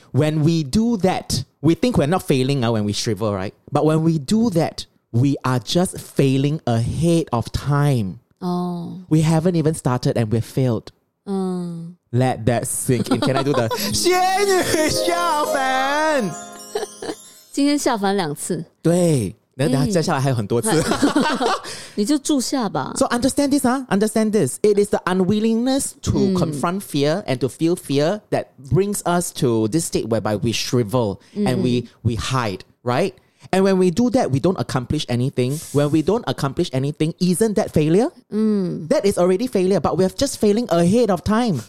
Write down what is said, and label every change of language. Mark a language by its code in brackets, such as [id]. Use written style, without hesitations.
[en] When we do that, we think we're not failing when we shrivel, right? But when we do that, we are just failing ahead of time. Oh. We haven't even started and we've failed. Let that sink in. Can I do the 仙女下凡? [zh] 今天下凡两次。对。那接下来还有很多次。你就住下吧。 [en] So understand this, huh? Understand this. It is the unwillingness to confront fear and to feel fear that brings us to this state whereby we shrivel and we hide, right? And when we do that, we don't accomplish anything. When we don't accomplish anything, isn't that failure? That is already failure, but we are just failing ahead of time.